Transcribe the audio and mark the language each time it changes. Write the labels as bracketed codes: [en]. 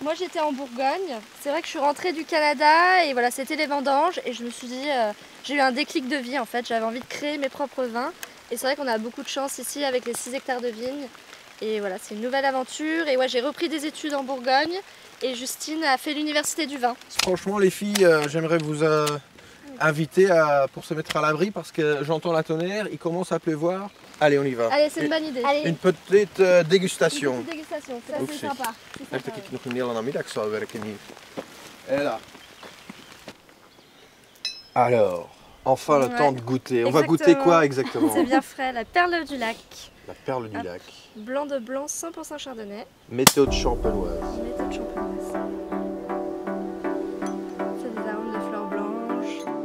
[fr] Moi j'étais en Bourgogne, c'est vrai que je suis rentrée du Canada et voilà c'était les vendanges et je me suis dit, j'ai eu un déclic de vie en fait, j'avais envie de créer mes propres vins et c'est vrai qu'on a beaucoup de chance ici avec les 6 hectares de vignes et voilà c'est une nouvelle aventure et ouais j'ai repris des études en Bourgogne et Justine a fait l'université du vin. Franchement les filles, j'aimerais vous invité à, pour se mettre à l'abri parce que j'entends la tonnerre, il commence à pleuvoir. Allez, on y va. Allez, c'est une bonne idée. Allez. Une petite dégustation. Une petite dégustation, c'est sympa. [nl] Heeft het niet nog een hele namiddag werken hier. [fr] Et là. Alors, enfin le temps de goûter. Exactement. On va goûter quoi exactement? C'est bien frais, la perle du lac. La perle du lac. Blanc de blanc, 100% chardonnay. Méthode champenoise. Méthode champenoise. C'est des arômes de fleurs blanches.